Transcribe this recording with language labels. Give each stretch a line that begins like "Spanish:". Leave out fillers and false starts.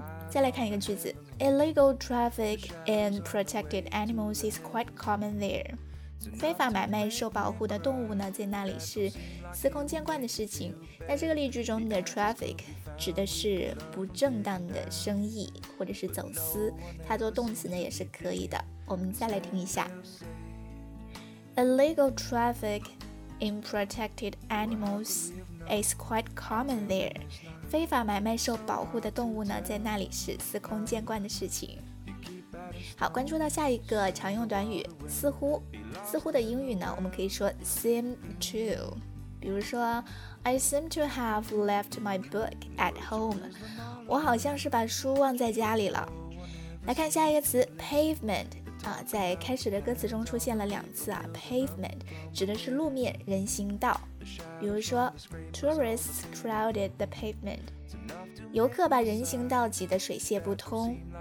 Chinese: 再来看一个句子，
English: Illegal traffic and protected animals is quite common there.
Chinese: 非法买卖受保护的动物呢在那里是司空见惯的事情。那这个例句中的 traffic 指的是不正当的生意或者是走私，它做动词呢也是可以的。我们再来听一下，
English: Illegal traffic in protected animals is quite common there.
Chinese: 非法买卖受保护的动物呢在那里是司空见惯的事情。好，关注到下一个常用短语，似乎。似乎的英语呢我们可以说
English: seem to，
Chinese: 比如说
English: I seem to have left my book at home
Chinese: 我好像是把书忘在家里了来看下一个词 pavement、在开始的歌词中出现了两次、pavement 指的是路面人行道比如说
English: tourists crowded the pavement
Chinese: 游客把人行道挤得水泄不通